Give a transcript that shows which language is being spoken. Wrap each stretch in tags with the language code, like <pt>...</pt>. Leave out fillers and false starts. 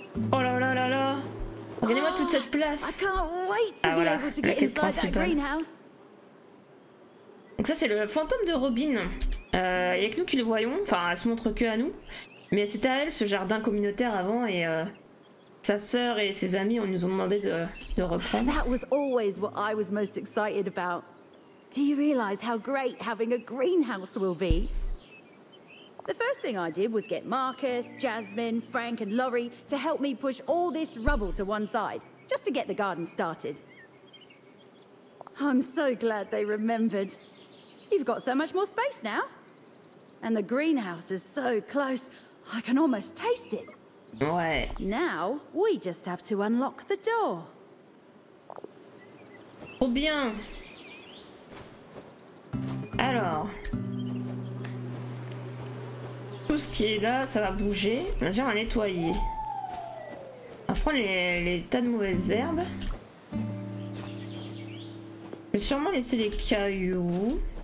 <fr>Oh là là là là. Regardez-moi toute cette place. Ah voilà, la quête principale. Donc ça, c'est le fantôme de Robin. Il n'y a que nous qui le voyons. Enfin, elle se montre que à nous. Mais c'était à elle, ce jardin communautaire avant, et... sa sœur et ses amis, on nous ont demandé de reprendre.</fr> <en>That was always what I was most excited about. Do you realize how great having a greenhouse will be? The first thing I did was get Marcus, Jasmine, Frank and Laurie to help me push all this rubble to one side, just to get the garden started. I'm so glad they remembered. You've got so much more space now. And the greenhouse is so close, I can almost taste it.</en> <fr>Ouais.</fr> <en>Now we just have to unlock the door.</en> <fr>Oh bien. Alors, tout ce qui est là, ça va bouger. On va nettoyer. On va prendre les tas de mauvaises herbes. Je vais sûrement laisser les cailloux.</fr>